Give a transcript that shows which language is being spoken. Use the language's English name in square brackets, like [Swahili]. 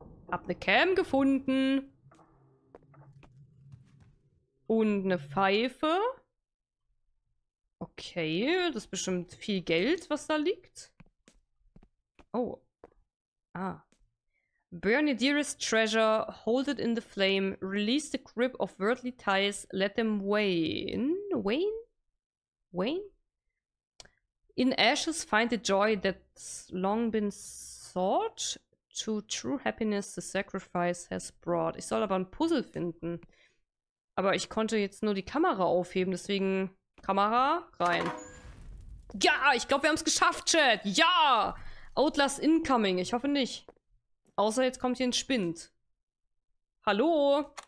[German] Hab eine Cam gefunden. Und eine Pfeife. Okay, das ist bestimmt viel Geld, was da liegt. Oh. Ah. [English] Burn your dearest treasure, hold it in the flame, release the grip of worldly ties, let them wane. Wane? Wane? In ashes find the joy that's long been sought, to true happiness the sacrifice has brought. [German] Ich soll aber ein Puzzle finden. Aber ich konnte jetzt nur die Kamera aufheben, deswegen Kamera rein. Ja, ich glaube, wir haben es geschafft, Chat. Ja! Outlast incoming, ich hoffe nicht. Außer jetzt kommt hier ein Spind. Hallo?